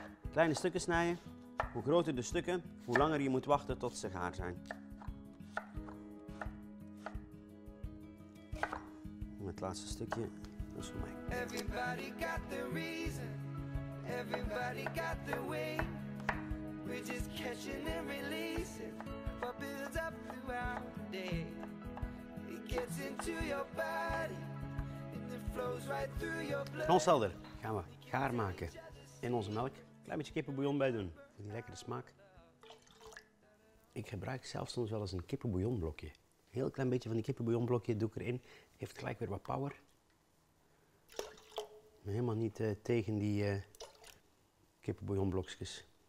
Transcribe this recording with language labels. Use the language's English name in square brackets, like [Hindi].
[Dutch] Kleine stukken snijden. Hoe groter de stukken, hoe langer je moet wachten tot ze gaar zijn. Het laatste stukje, dat is voor mij. [English] Everybody got the reason, everybody got the way. We're just catching and releasing what builds up throughout the day. It gets into your body and it flows right through your blood. [Dutch] Knolselder gaan we gaar maken in onze melk. Klein beetje kippenbouillon bij doen. Die lekkere smaak. Ik gebruik zelfs soms wel eens een kippenbouillonblokje. Een heel klein beetje van die kippenbouillonblokje doe ik erin. Heeft gelijk weer wat power. Maar helemaal niet tegen die kippenbouillonblokjes.